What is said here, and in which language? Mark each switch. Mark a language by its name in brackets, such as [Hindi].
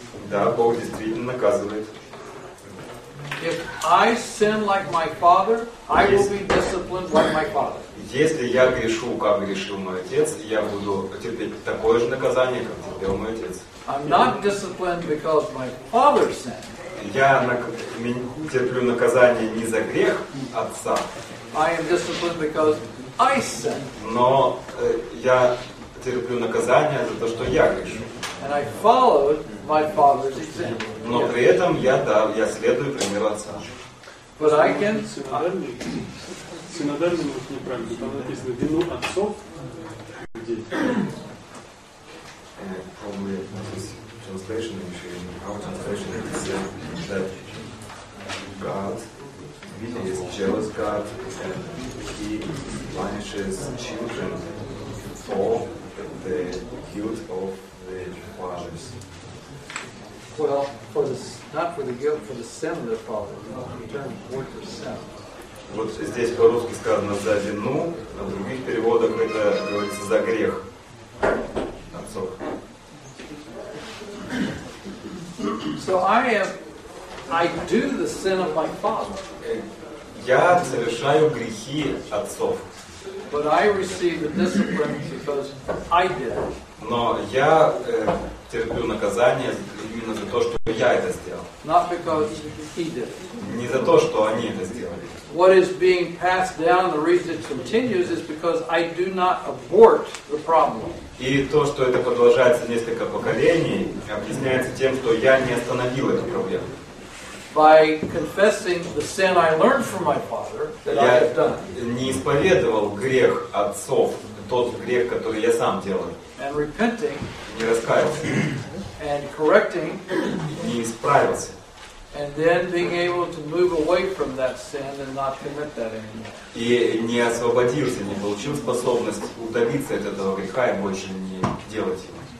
[Russian] Да, Бог действительно наказывает. [English] If I sin like my father, I will be disciplined like my father. [Russian] Если я грешу, как грешил мой отец, я буду терпеть такое же наказание, как терпел мой отец. [English] I'm not disciplined because my father sinned. [Russian] Я терплю наказание не за грех отца. [English] I am disciplined because I sin. [Russian] Но я терплю наказание за то, что я грешу. [English] And I followed my father's example. [Russian] Но при этом я следую примеру отца. [English] But I can... [Russian] Синодальный может неправильно. Там написано вину отцов людей. [English] Probably this translation issue, our translation is that God is jealous God and he punishes children for the guilt of the fathers. Well, for the not for the guilt, for the sin of their father. No, he turned word for sin. [Russian] Вот здесь по-русски сказано за вину, а в других переводах это говорится за грех отцов. [English] So I do the sin of my father. [Russian] Я совершаю грехи отцов. [English] But I receive the discipline because I did. [Russian] Но я терплю наказание именно за то, что я это сделал. [English] Not because he did. [Russian] Не за то, что они это сделали. [English] What is being passed down, the reason it continues, is because I do not abort the problem. [Russian] И то, что это продолжается несколько поколений, объясняется тем, что я не остановил эту проблему. [English] By confessing the sin I learned from my father that [Russian] я [English] I have done. [Russian] Не исповедовал грех отцов, тот грех, который я сам делаю. [English] And repenting. [Russian] Не раскаялся. [English] And correcting. [Russian] Не исправился. [English] And then being able to move away from that sin and not commit that anymore. [Russian] И не освободился, не получил способность удалиться от этого греха и больше не делать его.